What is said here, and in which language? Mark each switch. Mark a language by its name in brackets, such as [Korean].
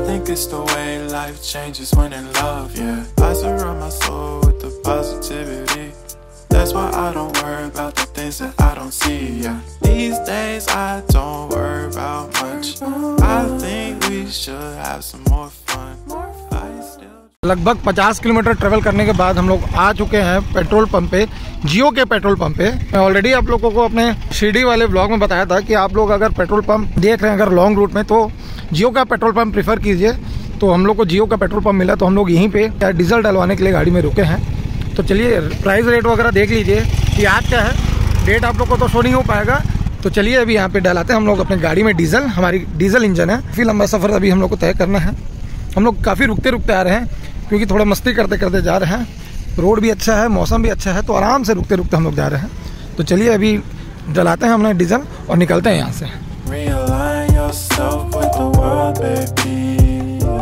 [English] It's the way life changes when in love, yeah. I surround my soul with the positivity. That's why I don't worry about the things that I don't see, yeah. These days I don't worry about much. I think we should have some more fun. [Hindi] लगभग 50 kilometre travel करने के बाद हम लोग आ चुके हैं petrol pump पे, जियो के पेट्रोल पंप पे। मैं ऑलरेडी आप लोगों को अपने शिरडी वाले ब्लॉग में बताया था कि आप लोग अगर पेट्रोल पंप देख रहे हैं अगर लॉन्ग रूट में, तो जियो का पेट्रोल पंप प्रीफर कीजिए। तो हम लोग को जियो का पेट्रोल पंप मिला, तो हम लोग यहीं पे डीजल डलवाने के लिए गाड़ी में रुके हैं। तो चलिए प्राइस रेट वगैरह देख लीजिए कि आज क्या है, डेट आप लोग को तो शो नहीं हो पाएगा। तो चलिए अभी यहाँ पे डलाते हैं हम लोग अपने गाड़ी में डीजल, हमारी डीजल इंजन है। काफ़ी लंबा सफ़र अभी हम लोग को तय करना है, हम लोग काफ़ी रुकते रुकते आ रहे हैं क्योंकि थोड़ा मस्ती करते करते जा रहे हैं। रोड भी अच्छा है, मौसम भी अच्छा है, तो आराम से रुकते रुकते हम लोग जा रहे हैं। तो चलिए अभी डलाते हैं हमने डीजल और निकलते हैं यहाँ से। [English] realign yourself with the world, baby.